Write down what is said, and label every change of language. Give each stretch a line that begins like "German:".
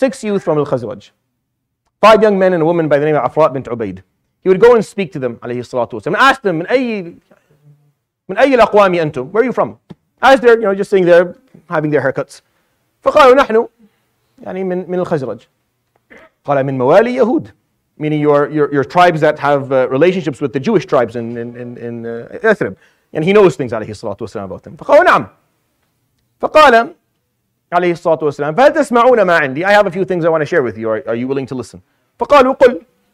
English: Six youth from Al-Khazraj. Five young men and a woman by the name of Afra' bint Ubaid. He would go and speak to them, alayhi salatu wasalam, and ask them,
Arabic: min ayy al-aqwami antum?
English: Where are you from? As they're, you know, just sitting there, having their haircuts.
Arabic: فَقَالُوا نَحْنُ يعني من الخزرج قَالَ مِن مَوَالِي يَهُود.
English: Meaning your tribes that have relationships with the Jewish tribes in Yathrib. And he knows things, alayhi salatu wasalam, about them.
Arabic: فَقَالُوا نَعْم. فَقَالَ عَلَيْهِ الصَّلَاةُ وَالسَّلَامُ فَهَلْ تَسْمَعُونَ مَا عِنْدِي.
English: I have a few things I want to share with you. Are you willing to listen?
Arabic: فَقَالُوا قُلْ.